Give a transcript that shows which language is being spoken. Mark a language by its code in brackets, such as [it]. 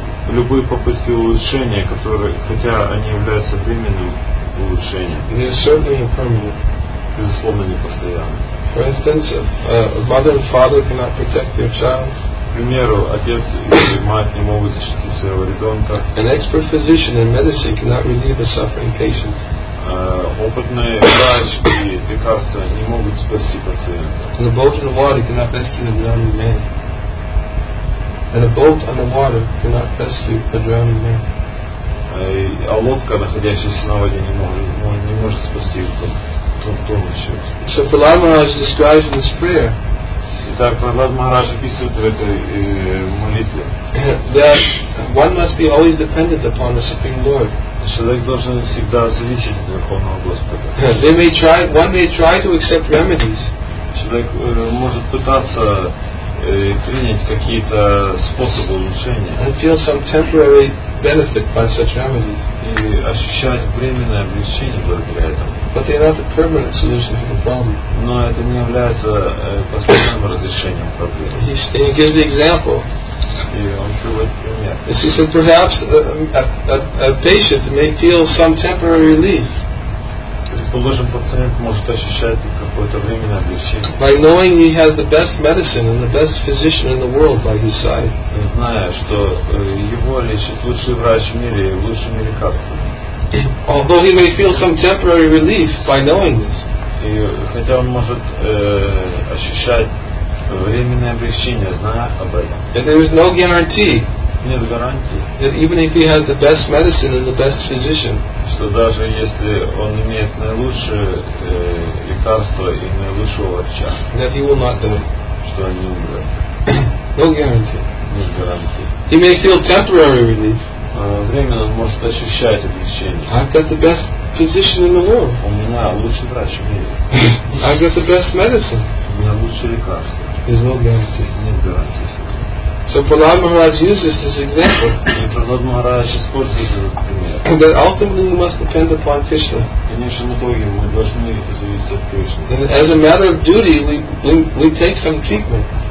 [ru] Любые попытки улучшения, которые, хотя они являются временным улучшением. [en] They are certainly impermanent. [ru] Безусловно, не постоянно. [en] For instance, a mother and father cannot protect their child. [ru] К примеру, отец или мать не могут защитить своего ребенка. [en] An expert physician in medicine cannot relieve a suffering patient. [ru] Опытные врач и лекарства не могут спасти пациента. [en] The boat on the water cannot rescue a drowning man. And a boat on the water cannot rescue a drowning man. [ru] А лодка, находящаяся на воде, не может спасти тонущего. [en] So Prahlad Maharaj describes in this prayer. [ru] Итак, Прохлад Махарадж описывает в этой молитве. [en] That one must be always dependent upon the Supreme Lord. [ru] Человек должен всегда зависеть от Верховного Господа. [en] They may try, one may try to accept remedies. [ru] Человек может пытаться принять какие-то способы улучшения. [en] And feel some temporary benefit by such remedies. [ru] И ощущать временное облегчение благодаря этому. [en] But they are not a permanent solution to the problem. [ru] Но это не является постоянным разрешением проблемы. [en] And he gives the example. Yeah. She said, perhaps a patient may feel some temporary relief. [ru] Предположим, пациент может ощущать какое-то временное облегчение. [en] By knowing he has the best medicine and the best physician in the world by his side. [ru] Зная, что его лечит лучший врач в мире и лучшими лекарствами. [en] Although he may feel some temporary relief by knowing this. [ru] И хотя он может ощущать временное облегчение, зная об этом. [en] And there is no guarantee [ru] нет гарантии. [en] That even if he has the best medicine and the best physician, [ru] что даже если он имеет наилучшее лекарство и наилучшего врача, [en] that he will not do it. [ru] Что он не умрет. [en] No guarantee. [ru] Нет гарантии. [en] He may feel temporary relief. [ru] Временно он может ощущать облегчение. [en] I've got the best physician in the world. [ru] У меня лучший врач в мире. [en] I've got the best medicine. [ru] У меня лучшее лекарство. [en] There's no guarantee. [ru] Нет гарантии. [en] So Prahlad Maharaj uses this example. [ru] Prahlad Maharaj использует этот пример. [en] That ultimately we must depend upon Krishna. [ru] Конечно, в итоге мы должны зависеть от Кришны. [en] And as a matter of duty, we take some treatment.